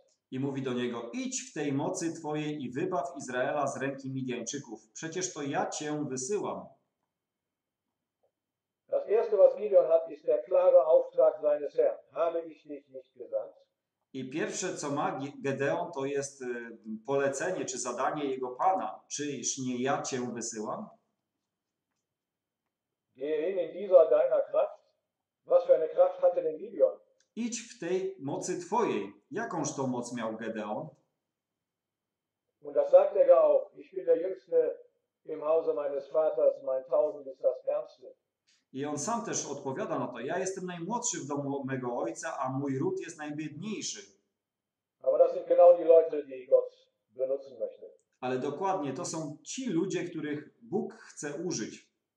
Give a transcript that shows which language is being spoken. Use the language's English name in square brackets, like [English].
[Polish] I mówi do niego: idź w tej mocy twojej i wybaw Izraela z ręki Midianczyków. Przecież to ja cię wysyłam. [German] Das erste, was Gideon hat, ist der klare Auftrag seines Herrn. Habe ich dich nicht gesandt? [Polish] I pierwsze, co ma Gedeon, to jest polecenie czy zadanie jego Pana. Czyż nie ja cię wysyłam? [German] Geh in dieser deiner Kraft. Was für eine Kraft hatte denn Gideon? [Polish] Idź w tej mocy twojej. Jakąż to moc miał Gedeon? [German] Und das sagt er auch. Ich bin der jüngste im Hause meines Vaters, mein Tausend ist das Ärmste. [Polish] I on sam też odpowiada na to: ja jestem najmłodszy w domu mego ojca, a mój ród jest najbiedniejszy. [German] Aber das sind genau die Leute, die Gott benutzen möchte. [Polish] Ale dokładnie to są ci ludzie, których Bóg chce użyć.